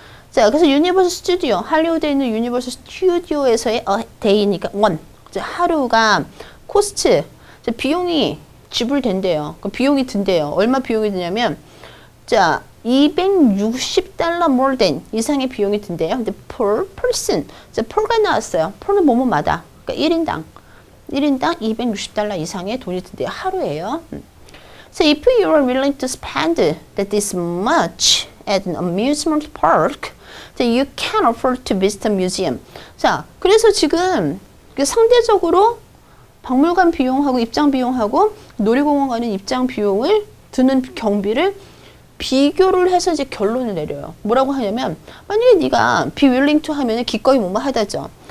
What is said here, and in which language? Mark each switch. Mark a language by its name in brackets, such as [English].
[Korean] 자, 그래서 유니버스 스튜디오, 할리우드에 있는 유니버스 스튜디오에서의 데이니까 원, 하루가 코스트, 비용이 지불된대요. 그 비용이 든대요. 얼마 비용이 드냐면, 자, 260달러 more than 이상의 비용이 든대요. 근데 per person, 자, per가 나왔어요. per는 뭐뭐마다, 그러니까 1인당 260달러 이상의 돈이 든대요. 하루에요. [English] So if you are willing to spend that this much at an amusement park, that you can afford to visit a museum. [Korean] 자, 그래서 지금 상대적으로 박물관 비용하고 입장 비용하고 놀이공원 가는 입장 비용을 드는 경비를 비교를 해서 이제 결론을 내려요. 뭐라고 하냐면 만약에 네가 be willing to 하면은 기꺼이 뭐뭐 하다죠.